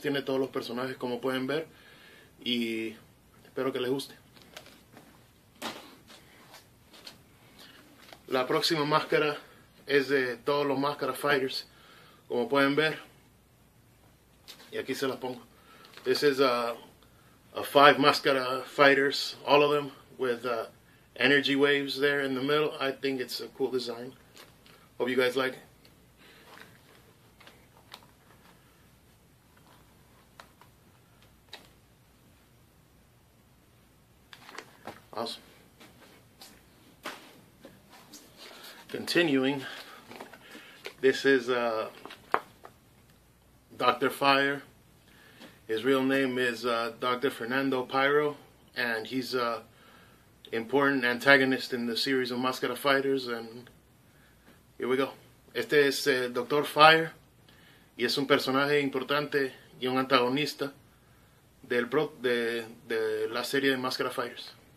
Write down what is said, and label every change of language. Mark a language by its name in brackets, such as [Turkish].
[Spanish] Tiene todos los personajes como pueden ver y espero que les guste. La próxima máscara es de todos los Mascara Fighters, como pueden ver, y aquí se las pongo. [English] This is a 5 Mascara Fighters, all of them with energy waves there in the middle. I think it's a cool design. Hope you guys like it. Awesome. Continuing, this is Dr. Fire. His real name is Dr. Fernando Pyro, and he's an important antagonist in the series of Mascara Fighters, and here we go. [Spanish] Este es Dr. Fire, y es un personaje importante y un antagonista de la serie de Mascara Fighters.